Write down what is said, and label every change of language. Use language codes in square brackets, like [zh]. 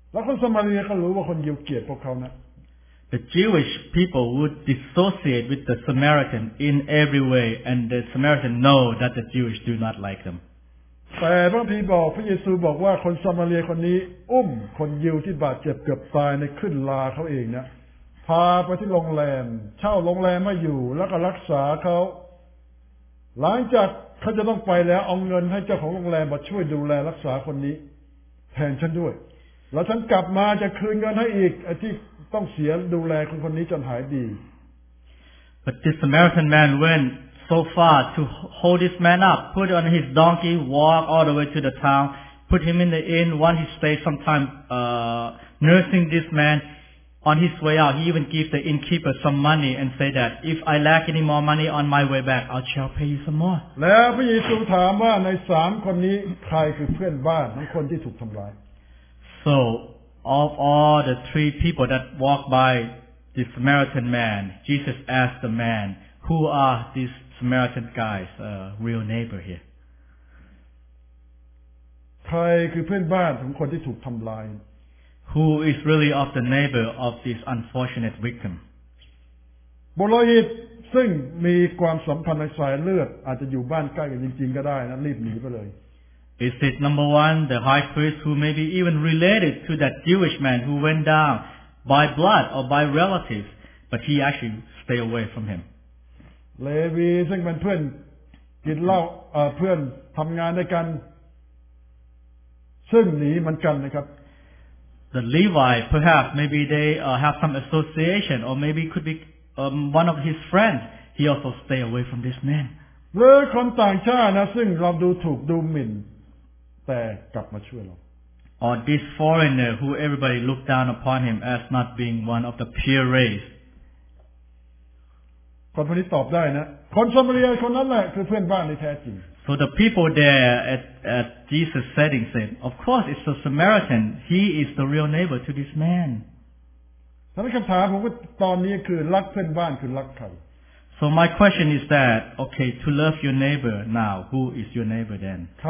[en] The Jewish people would dissociate with the Samaritan in every way, and the Samaritan know that the Jewish do not like them. [th] แต่พระพี่บอกพระเยซูบอกว่าคนซามาเรียคนนี้อุ้มคนยิวที่บาดเจ็บเกือบตายในขึ้นลาเขาเองนะพาไปที่โรงแรมเช่าโรงแรมมาอยู่แล้วก็รักษาเขาหลังจากเขาจะต้องไปแล้วเอาเงินให้เจ้าของโรงแรมมาช่วยดูแลรักษาคนนี้แทนฉันด้วยแล้วฉันกลับมาจะคืนเงินให้อีกไอ้ที่ต้องเสียดูแลคนนี้จนหายดี [en] But this Samaritan man went so far to hold this man up, put on his donkey, walk all the way to the town, put him in the inn, while he stayed some time nursing this man. on his way out, he even gave the innkeeper some money and said that if I lack any more money on my way back, I shall pay you some more. [th] แล้วพระเยซูถามว่าใน3คนนี้ใครคือเพื่อนบ้านของคนที่ถูกทำร้าย [en] So of all the three people that walked by the Samaritan man, Jesus asked the man, "Who are these Samaritan guys, real neighbor here?" [th] ใครคือเพื่อนบ้านของคนที่ถูกทำร้าย [en] Who is really of the neighbor of this unfortunate victim? [th] บุรุษซึ่งมีความสัมพันธ์ในสายเลือดอาจจะอยู่บ้านใกล้กันจริงๆก็ได้นะรีบหนีไปเลย [en] Is it number one, the high priest who may be even related to that Jewish man who went down by blood or by relatives, but he actually stay away from him? [th] เลวีซึ่งเป็นเพื่อนกินเหล้าเพื่อนทำงานด้วยกันซึ่งหนีเหมือนกันนะครับ [en] The Levi, perhaps, maybe they have some association, or maybe could be one of his friends. He also stay away from this man. [th] หรือคนต่างชาตินะซึ่งเราดูถูกดูหมิ่นแต่กลับมาช่วยเรา [en] Or this foreigner who everybody looked down upon him as not being one of the pure race. [th] คนพวกนี้ตอบได้นะคนซามารีคนนั้นแหละคือเพื่อนบ้านในแท้จริง [en] So the people there at Jesus' setting said, of course, it's the Samaritan. He is the real neighbor to this man. So my question is that, okay, to love your neighbor now, who is your neighbor then?